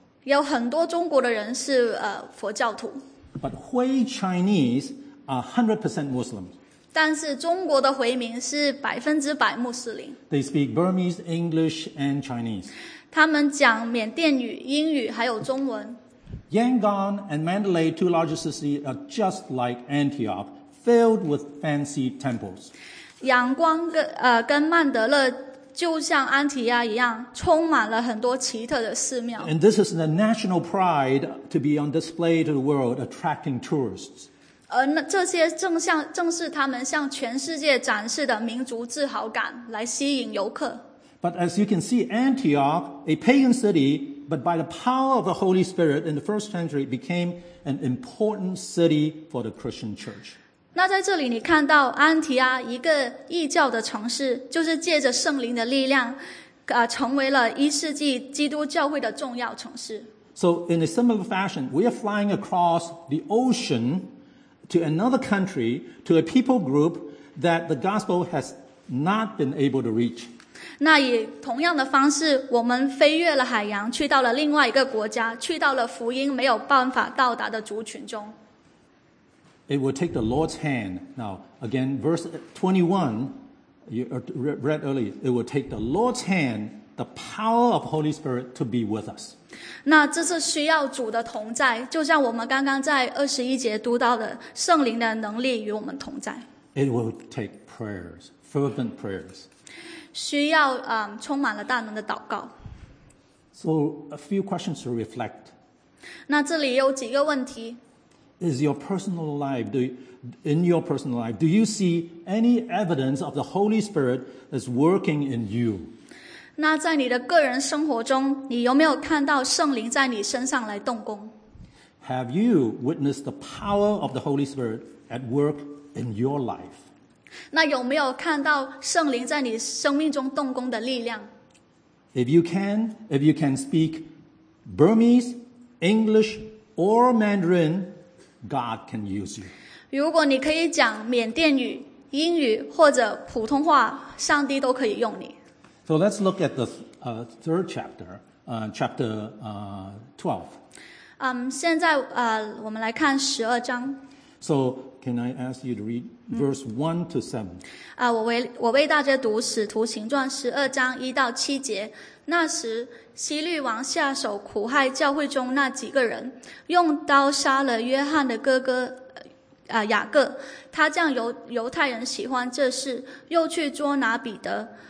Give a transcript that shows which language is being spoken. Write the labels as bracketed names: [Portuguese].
[Chinese] 有很多中国的人是佛教徒。 [English] But Hui Chinese are 100% Muslim. [Chinese] 但是中国的回民是100%穆斯林。 [English] They speak Burmese, English, and Chinese. [Chinese] 他们讲缅甸语、英语还有中文。 [English] Yangon and Mandalay, two largest cities, are just like Antioch, filled with fancy temples. [Chinese] 仰光跟曼德勒就像安提亚一样，充满了很多奇特的寺庙。 [English] And this is the national pride to be on display to the world, attracting tourists. [Chinese] 而这些正是他们向全世界展示的民族自豪感，来吸引游客。 [English] But as you can see, Antioch, a pagan city, but by the power of the Holy Spirit in the first century, became an important city for the Christian church. [Chinese] 那在这里你看到安提阿一个异教的城市，就是借着圣灵的力量，成为了一世纪基督教会的重要城市。 [English] So in a similar fashion, we are flying across the ocean to another country, to a people group that the gospel has not been able to reach. [Chinese] 那以同样的方式，我们飞越了海洋，去到了另外一个国家，去到了福音没有办法到达的族群中。 [English] It will take the Lord's hand. Now, again, verse 21, you read earlier, it will take the Lord's hand, the power of Holy Spirit to be with us. [Chinese] 那这是需要主的同在，就像我们刚刚在21节读到的，圣灵的能力与我们同在。 [English] It will take prayers, fervent prayers. [Chinese] 需要充满了大能的祷告。 [English] So a few questions to reflect. [Chinese] 那这里有几个问题。 [English] Is your personal life, in your personal life, do you see any evidence of the Holy Spirit that's working in you? [Chinese] 那在你的个人生活中，你有没有看到圣灵在你身上来动工？ [English] Have you witnessed the power of the Holy Spirit at work in your life? [Chinese] 那有没有看到圣灵在你生命中动工的力量？ [English] If you can speak Burmese, English, or Mandarin,God can use you. [Chinese] 如果你可以讲缅甸语、英语或者普通话，上帝都可以用你。 [English] So let's look at the third chapter, chapter 12. [Chinese] 现在我们来看十二章。 [English] So can I ask you to read verse 1-7? [Chinese] 我为大家读《使徒行传》十二章一到七节。那时，希律王下手苦害教会中那几个人，用刀杀了约翰的哥哥雅各。他将犹太人喜欢这事，又去捉拿彼得。